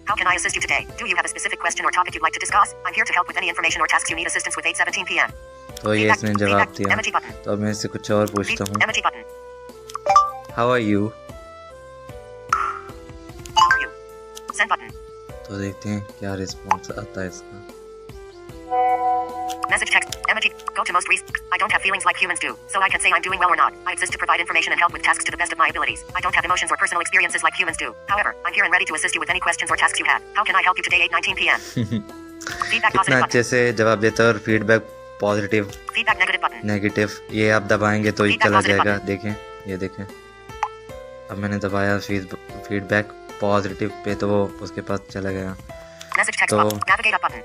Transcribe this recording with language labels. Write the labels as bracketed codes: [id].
[en] How can I assist you today? Do you have a specific question or topic you'd like to discuss? I'm here to help with any information or tasks you need assistance with 8:17 p.m. [hi] तो ये इसने जवाब दिया। तो अब मैं इससे कुछ और पूछता हूँ। [en] How are you? Send button. [hi] तो देखते हैं क्या रिस्पॉन्स आता है इसका। [en] Message text. Emoji. Go to most recent. I don't have feelings like humans do, so I can say I'm doing well or not. I exist to provide information and help with tasks to the best of my abilities. I don't have emotions or personal experiences like humans do. However, I'm here and ready to assist you with any questions or tasks you have. How can I help you today? 8:19 p.m. [hi] कितना अच्छे से जवाब देता है और [en] Feedback positive. Feedback negative button. [hi] Negative ये आप दबाएंगे तो ये चला जाएगा। देखें, ये देखें, अब मैंने दबाया [en] feedback positive [hi] पे तो वो उसके पास चला गया। तो